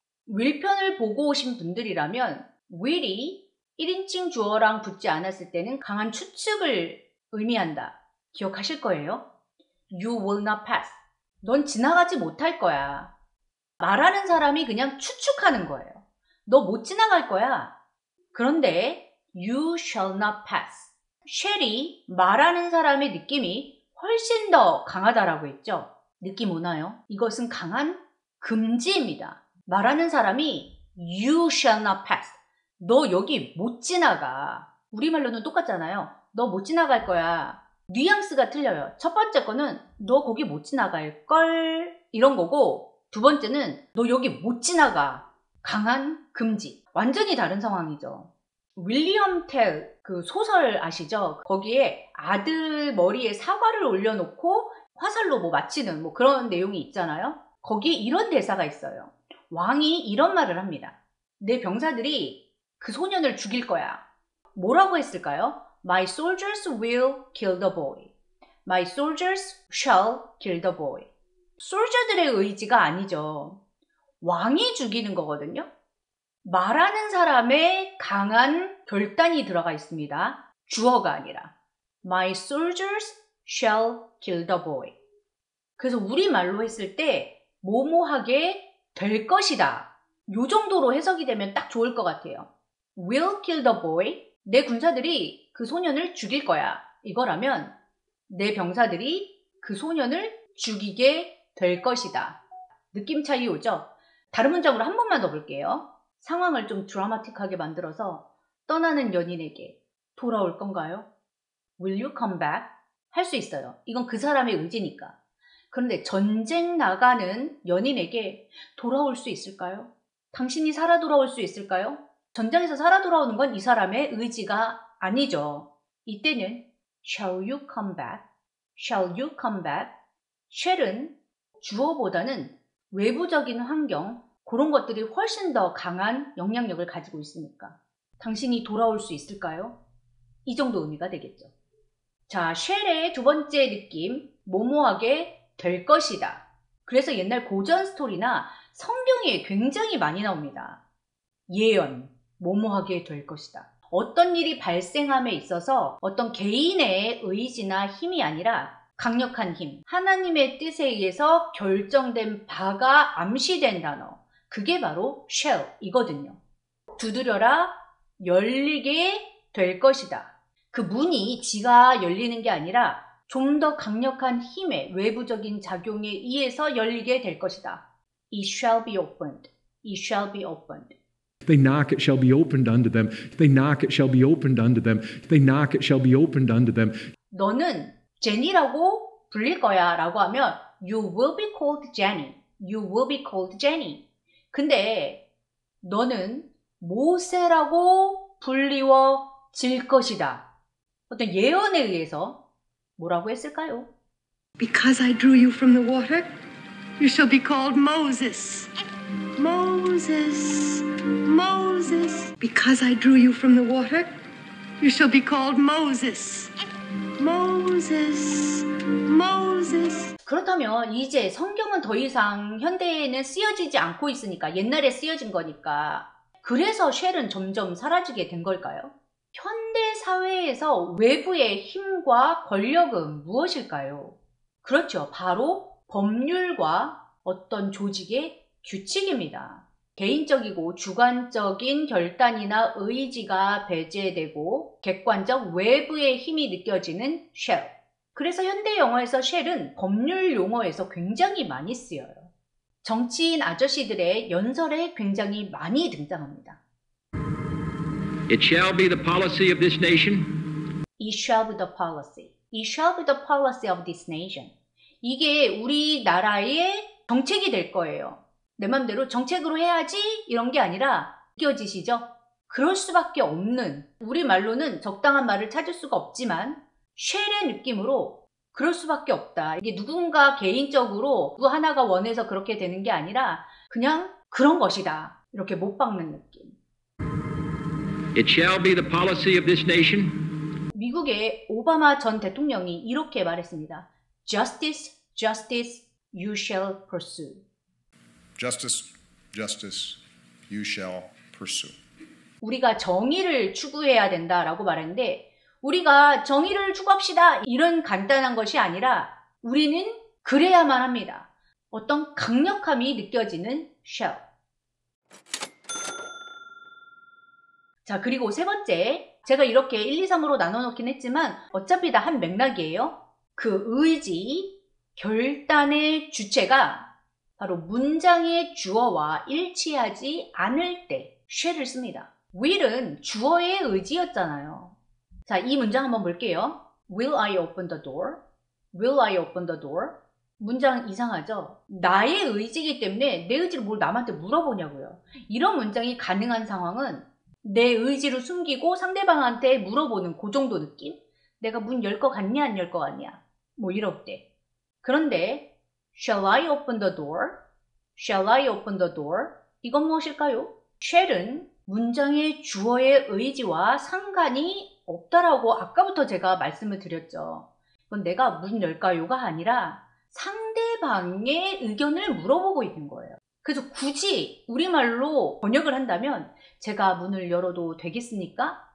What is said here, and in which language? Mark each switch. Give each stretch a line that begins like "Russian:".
Korean: will편을 보고 오신 분들이라면 will이 1인칭 주어랑 붙지 않았을 때는 강한 추측을 의미한다. 기억하실 거예요?
English: You will not pass.
Korean: 넌 지나가지 못할 거야. 말하는 사람이 그냥 추측하는 거예요. 너 못 지나갈 거야. 그런데
English: you shall not pass.
Korean: shall이 말하는 사람의 느낌이 훨씬 더 강하다라고 했죠. 느낌 오나요? 이것은 강한 금지입니다. 말하는 사람이
English: you shall not pass.
Korean: 너 여기 못 지나가. 우리말로는 똑같잖아요. 너 못 지나갈 거야. 뉘앙스가 틀려요. 첫 번째 거는 너 거기 못 지나갈 걸 이런 거고 두 번째는 너 여기 못 지나가. 강한 금지. 완전히 다른 상황이죠. 윌리엄 텔 그 소설 아시죠? 거기에 아들 머리에 사과를 올려놓고 화살로 뭐 맞히는 뭐 그런 내용이 있잖아요. 거기에 이런 대사가 있어요. 왕이 이런 말을 합니다. 내 병사들이 그 소년을 죽일 거야. 뭐라고 했을까요?
English: My soldiers will kill the boy. My soldiers shall kill the boy.
Korean: 솔저들의 의지가 아니죠. 왕이 죽이는 거거든요. 말하는 사람의 강한 결단이 들어가 있습니다. 주어가 아니라
English: My soldiers shall kill the boy.
Korean: 그래서 우리말로 했을 때 뭐뭐하게 될 것이다. 요 정도로 해석이 되면 딱 좋을 것 같아요.
English: Will kill the boy.
Korean: 내 군사들이 그 소년을 죽일 거야. 이거라면 내 병사들이 그 소년을 죽이게 될 것이다. 느낌 차이 오죠? 다른 문장으로 한 번만 더 볼게요. 상황을 좀 드라마틱하게 만들어서 떠나는 연인에게 돌아올 건가요?
English: Will you come back?
Korean: 할 수 있어요. 이건 그 사람의 의지니까. 그런데 전쟁 나가는 연인에게 돌아올 수 있을까요? 당신이 살아 돌아올 수 있을까요? 전장에서 살아 돌아오는 건 이 사람의 의지가 아니죠. 이때는
English: shall you come back? shall you come back?
Korean: shall은 주어보다는 외부적인 환경, 그런 것들이 훨씬 더 강한 영향력을 가지고 있으니까 당신이 돌아올 수 있을까요? 이 정도 의미가 되겠죠. 자, shall의 두 번째 느낌, 모모하게 될 것이다. 그래서 옛날 고전 스토리나 성경에 굉장히 많이 나옵니다. 예언, 모모하게 될 것이다. 어떤 일이 발생함에 있어서 어떤 개인의 의지나 힘이 아니라 강력한 힘, 하나님의 뜻에 의해서 결정된 바가 암시된 단어, 그게 바로 shall이거든요. 두드려라, 열리게 될 것이다. 그 문이 지가 열리는 게 아니라 좀 더 강력한 힘의 외부적인 작용에 의해서 열리게 될 것이다.
English: It shall be opened. It shall be opened. If they knock, it shall be opened unto them. If they knock, it shall be opened unto them. If they knock, it shall be opened unto them.
Korean: 너는 제니라고 불릴 거야 라고 하면
English: You will be called Jenny. You will be called Jenny.
Korean: 근데 너는 모세라고 불리워질 것이다. 어떤 예언에 의해서 뭐라고 했을까요?
English: Because I drew you from the water, you shall be called Moses. Moses. Moses. Because I drew you from the water, you shall be called Moses. Moses. Moses.
Korean: 그렇다면 이제 성경은 더 이상 현대에는 쓰여지지 않고 있으니까 옛날에 쓰여진 거니까 그래서 쉘은 점점 사라지게 된 걸까요? 현대 사회에서 외부의 힘과 권력은 무엇일까요? 그렇죠. 바로 법률과 어떤 조직의 규칙입니다. 개인적이고 주관적인 결단이나 의지가 배제되고 객관적 외부의 힘이 느껴지는 shall. 그래서 현대 영어에서 shall은 법률 용어에서 굉장히 많이 쓰여요. 정치인 아저씨들의 연설에 굉장히 많이 등장합니다.
English: It shall be the policy of this nation. It shall be the policy. It shall be the policy of this nation.
Korean: 이게 우리나라의 정책이 될 거예요. 내 맘대로 정책으로 해야지 이런 게 아니라 느껴지시죠? 그럴 수밖에 없는 우리말로는 적당한 말을 찾을 수가 없지만 쉘의 느낌으로 그럴 수밖에 없다. 이게 누군가 개인적으로 누구 하나가 원해서 그렇게 되는 게 아니라 그냥 그런 것이다. 이렇게 못 박는 느낌.
English: It shall be the policy of this nation.
Korean: 미국의 오바마 전 대통령이 이렇게 말했습니다.
English: Justice, justice, you shall pursue. Justice, justice, you shall pursue.
Korean: 우리가 정의를 추구해야 된다라고 말했는데 우리가 정의를 추구합시다 이런 간단한 것이 아니라 우리는 그래야만 합니다. 어떤 강력함이 느껴지는 shall. 자, 그리고 세 번째, 제가 이렇게 1, 2, 3으로 나눠놓긴 했지만 어차피 다 한 맥락이에요. 그 의지, 결단의 주체가 바로 문장의 주어와 일치하지 않을 때 shall을 씁니다. will은 주어의 의지였잖아요. 자, 이 문장 한번 볼게요.
English: Will I open the door? Will I open the door?
Korean: 문장 이상하죠? 나의 의지이기 때문에 내 의지를 뭘 남한테 물어보냐고요. 이런 문장이 가능한 상황은 내 의지를 숨기고 상대방한테 물어보는 그 정도 느낌? 내가 문 열 것 같냐 안 열 것 같냐? 뭐 이럴때. 그런데
English: Shall I open the door? Shall I open the door?
Korean: 이건 무엇일까요? Shall은 문장의 주어의 의지와 상관이 없다라고 아까부터 제가 말씀을 드렸죠. 그건 내가 문 열까요가 아니라 상대방의 의견을 물어보고 있는 거예요. 그래서 굳이 우리말로 번역을 한다면 제가 문을 열어도 되겠습니까?